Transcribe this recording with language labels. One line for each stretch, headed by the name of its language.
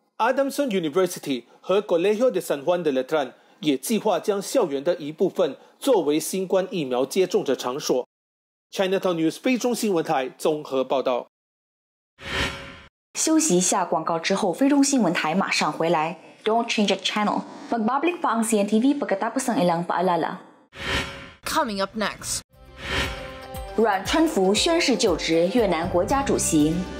Chinese: Adamson University 和 Colegio de San Juan de Letran 也计划将校园的一部分作为新冠疫苗接种的场所。 Chinatown News 菲中新闻台综合报道。休息一下广告之后，菲中新闻台马上回来。
English: Don't change the channel.
Filipino: Magbablik pa ang CNTV pagkatapos ng ilang paalala.
English: Coming up next.
Chinese: 阮川福宣誓就职越南国家主席。